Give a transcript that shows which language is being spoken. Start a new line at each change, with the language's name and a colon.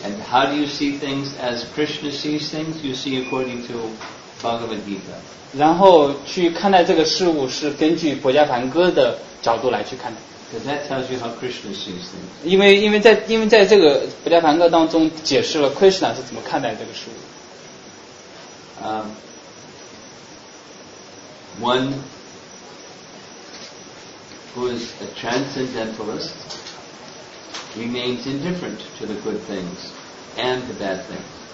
English: And how do you see things as Krishna sees things? You see according to Bhagavad Gita.
Chinese: 然后去看待这个事物是根据《博迦梵歌》的角度来去看待。
English: Because that tells you how Krishna sees things.
Chinese: 因为在这个《博迦梵歌》当中解释了 Krishna 是怎么看待这个事物。
English: One who is a transcendentalist remains indifferent to the good things and the bad things.